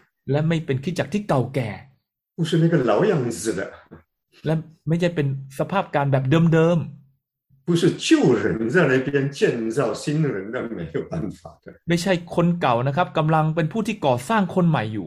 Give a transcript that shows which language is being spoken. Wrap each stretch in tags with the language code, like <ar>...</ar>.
<th>และไม่เป็นคริสตจักรที่เก่าแก่</th> <zh>不是那个老样子的</zh> <th>และไม่ใช่เป็นสภาพการแบบเดิม</th> <zh>ๆ不是旧人在那边建造新人的没有办法的</zh> <th>ไม่ใช่คนเก่านะครับกำลังเป็นผู้ที่ก่อสร้างคนใหม่อยู</th>